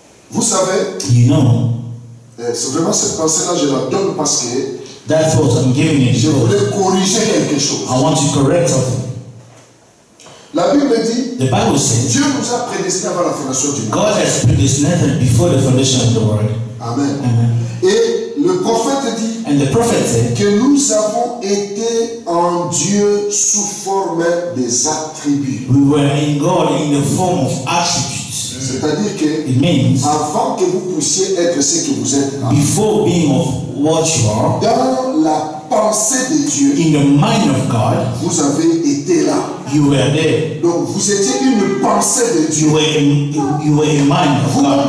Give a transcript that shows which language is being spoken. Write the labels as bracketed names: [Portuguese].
[French] Vous savez, [English] you know, [French] c'est vraiment cette pensée-là, je la donne parce que [English] that thought I'm giving it. [French] Je voulais corriger quelque chose. [English] I want to correct something. [French] La Bible dit, [English] the Bible says, [French] Dieu nous a prédestinés avant la fondation du monde. [English] God has predestined before the foundation of the world. Amen. Amen. [French] Et le prophète dit, [English] and the prophet said, [French] que nous avons été en Dieu sous forme des attributs. [English] We were in God in the form of attributes. [French] C'est-à-dire que [English] it means, [French] avant que vous puissiez être ce que vous êtes, [English] before being of what you are, [French] dans la pensée de Dieu, [English] in the mind of God, [French] vous avez été là. [English] You were there. [French] Donc vous étiez une pensée de Dieu. [English] You were in mind of God.